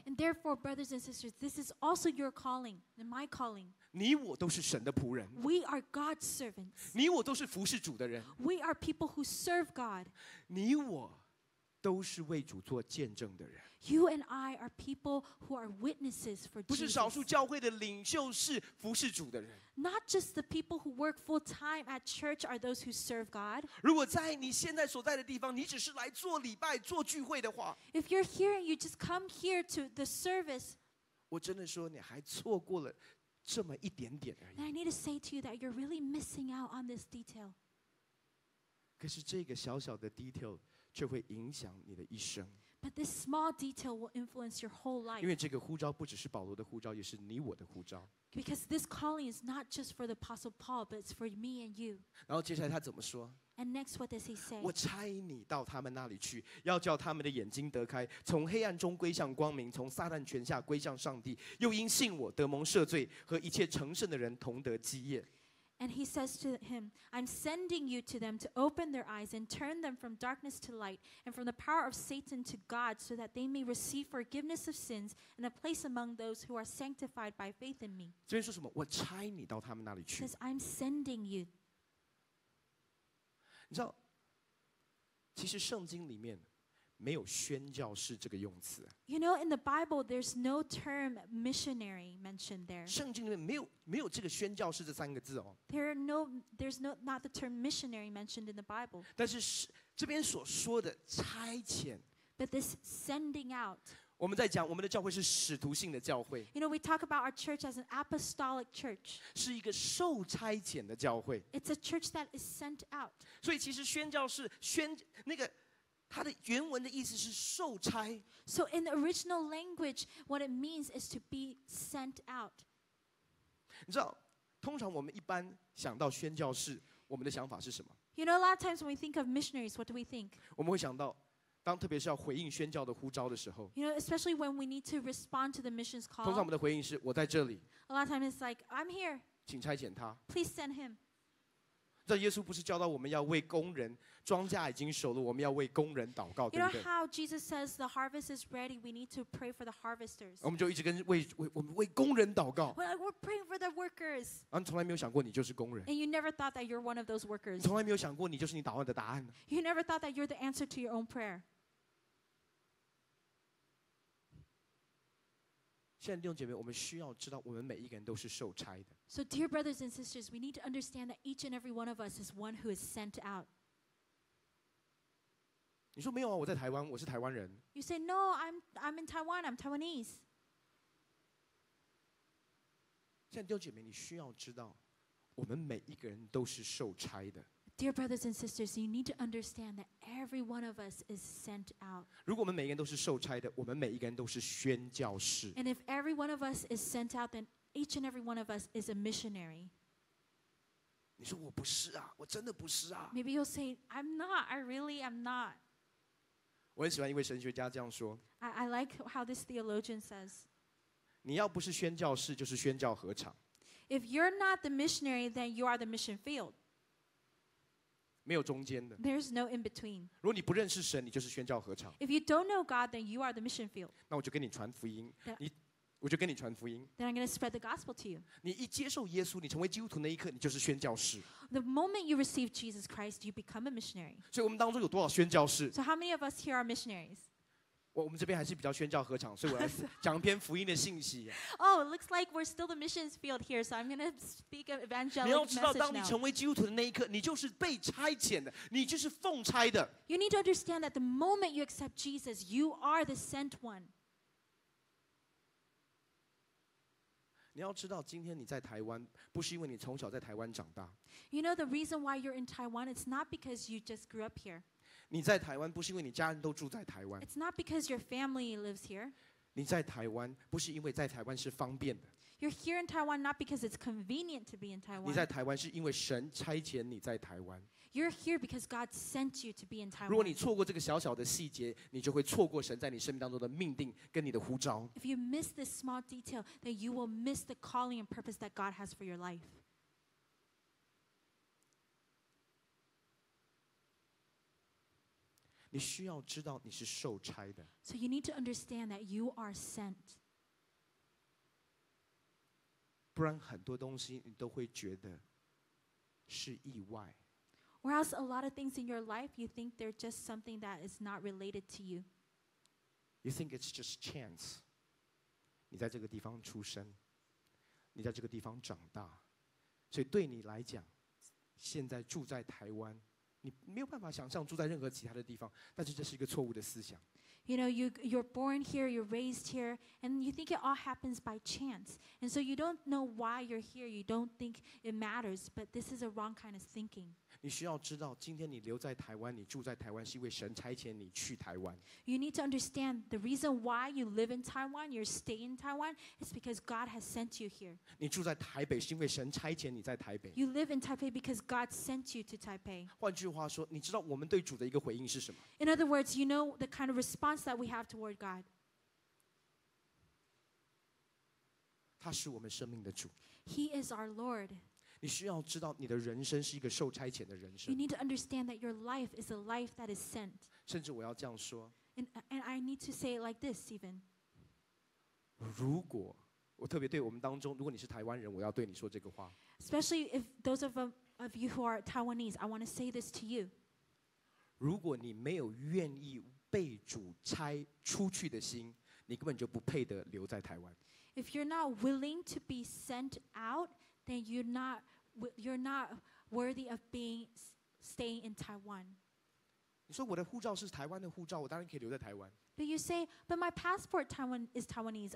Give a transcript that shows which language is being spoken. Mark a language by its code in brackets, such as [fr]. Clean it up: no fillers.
[en] And therefore, brothers and sisters, this is also your calling and my calling. [zh] 你我都是神的仆人。 [en] We are God's servants. [zh] 你我都是服侍主的人。 [en] We are people who serve God. [zh] 你我都是为主做见证的人。 [en] You and I are people who are witnesses for Jesus. [zh] 不是少数教会的领袖是服侍主的人。 [en] Not just the people who work full time at church are those who serve God. [zh] 如果在你现在所在的地方，你只是来做礼拜、做聚会的话 [en] ，If you're here and you just come here to the service, [zh] 我真的说你还错过了。这么一点点而已。 [en] And I need to say to you that you're really missing out on this detail. [zh] 可是这个小小的 detail 却会影响你的一生。 [en] But this small detail will influence your whole life. [zh] 因为这个呼召不只是保罗的呼召，也是你我的呼召。 [en] Because this calling is not just for the Apostle Paul, but it's for me and you. [zh] 然后接下来他怎么说？ [en] And next, what does he say? [zh] 我差你到他们那里去，要叫他们的眼睛得开，从黑暗中归向光明，从撒旦权下归向上帝，又因信我得蒙赦罪，和一切成圣的人同得基业。 [en] And he says to him, I'm sending you to them to open their eyes and turn them from darkness to light and from the power of Satan to God so that they may receive forgiveness of sins and a place among those who are sanctified by faith in me. [zh] 这边说什么？我差你到他们那里去。 [en] He says, I'm sending you. [zh] 你知道，其实圣经里面没有宣教士这个用词。 [en] You know, in the Bible, there's no term missionary mentioned there. [zh] 圣经里面没有这个宣教士这三个字哦。 [en] There's not the term missionary mentioned in the Bible. [zh] 但是这边所说的差遣 [en] ，but this sending out. [zh] 我们在讲我们的教会是使徒性的教会。 [en] You know, we talk about our church as an apostolic church. [zh] 是一个受差遣的教会。 [en] It's a church that is sent out. [zh] 所以其实宣教士宣那个它的原文的意思是受差。 [en] So in the original language, what it means is to be sent out. [zh] 你知道，通常我们一般想到宣教士，我们的想法是什么 [en] ？You know, a lot of times when we think of missionaries, what do we think? [zh] 我们会想到。当特别是要回应宣教的呼召的时候 [en] you know, especially when we need to respond to the mission's call. [zh] 通常我们的回应是我在这里 [en] A lot of times it's like, I'm here. [zh] 请差遣他 [en] Please send him. [zh] 这耶稣不是教导我们要为工人庄稼已经熟了我们要为工人祷告 [en] You know how Jesus says the harvest is ready, we need to pray for the harvesters. [zh] 我们就一直跟为工人祷告 [en] We're praying for the workers. [zh] 然后你从来没有想过你就是工人 [en] And you never thought that you're one of those workers. [zh] 从来没有想过你就是你祷告的答案 [en] You never thought that you're the answer to your own prayer. [zh] 现在弟兄姐妹，我们需要知道，我们每一个人都是受差的。 [en] So, dear brothers and sisters, we need to understand that each and every one of us is one who is sent out. [zh] 你说没有啊？我在台湾，我是台湾人。 [en] You say no, I'm in Taiwan, I'm Taiwanese. [zh] 现在弟兄姐妹，你需要知道，我们每一个人都是受差的。 [en] Dear brothers and sisters, you need to understand that every one of us is sent out. [zh] 如果我们每一个人都是受差的，我们每一个人都是宣教士。 [en] And if every one of us is sent out, then each and every one of us is a missionary. [zh] 你说我不是啊，我真的不是啊。 [en] Maybe you'll say, I'm not, I really am not. [zh] 我很喜欢一位神学家这样说。 [en] I like how this theologian says. [zh] 你要不是宣教士，就是宣教合场。 [en] If you're not the missionary, then you are the mission field. [zh] 没有中间的。 [en] There's no in between. [zh] 如果你不认识神，你就是宣教合场。 [en] If you don't know God, then you are the mission field. [zh] 那我就跟你传福音。我就跟你传福音。 [en] Then I'm going to spread the gospel to you. [zh] 你一接受耶稣，你成为基督徒那一刻，你就是宣教士。 [en] The moment you receive Jesus Christ, you become a missionary. [zh] 所以我们当中有多少宣教士 [en] ？So how many of us here are missionaries? [zh] 我们这边还是比较宣教合场，所以我要讲一篇福音的信息。 [en] Oh, it looks like we're still the missions field here, so I'm going to speak an evangelical message now. [zh] 你要知道，当你成为基督徒的那一刻，你就是被差遣的，你就是奉差的。 [en] You need to understand that the moment you accept Jesus, you are the sent one. [zh] 你要知道，今天你在台湾，不是因为你从小在台湾长大。 [en] You know the reason why you're in Taiwan, it's not because you just grew up here. [zh] 你在台湾不是因为你家人都住在台湾。 [en] It's not because your family lives here. [zh] 你在台湾不是因为在台湾是方便的。 [en] You're here in Taiwan not because it's convenient to be in Taiwan. [zh] 你在台湾是因为神差遣你在台湾。 [en] You're here because God sent you to be in Taiwan. [zh] 如果你错过这个小小的细节，你就会错过神在你生命当中的命定跟你的呼召。 [en] If you miss this small detail, then you will miss the calling and purpose that God has for your life. [zh] 你需要知道你是受差的。 [en] So you need to understand that you are sent. [zh] 不然很多东西你都会觉得是意外。 [en] Whereas a lot of things in your life, you think they're just something that is not related to you. You think it's just chance. [zh] 你在这个地方出生，你在这个地方长大，所以对你来讲，现在住在台湾，你没有办法想象住在任何其他的地方，但是这是一个错误的思想。 [en] You know, you're born here, you're raised here, and you think it all happens by chance. And so you don't know why you're here, you don't think it matters, but this is a wrong kind of thinking. [zh] 你需要知道，今天你留在台湾，你住在台湾，是因为神差遣你去台湾。 [en] You need to understand the reason why you live in Taiwan, you're staying in Taiwan, is because God has sent you here. [zh] 你住在台北，是因为神差遣你在台北。 [en] You live in Taipei because God sent you to Taipei. [zh] 换句话说，你知道我们对主的一个回应是什么？ [en] In other words, you know the kind of response that we have toward God. [zh] 他是我们生命的主。 [en] He is our Lord. [zh] 你需要知道你的人生是一个受差遣的人生。 [en] You need to understand that your life is a life that is sent. [zh] 甚至我要这样说。 [en] And I need to say it like this, Stephen. [zh] 如果我特别对我们当中，如果你是台湾人，我要对你说这个话。 [en] Especially if those of you who are Taiwanese, I want to say this to you. [zh] 如果你没有愿意被主差出去的心，你根本就不配得留在台湾。 [en] If you're not willing to be sent out,then you're not worthy of being staying in Taiwan. [zh] 你说我的护照是台湾的护照，我当然可以留在台湾。 [en] But you say, but my passport Taiwan is Taiwanese.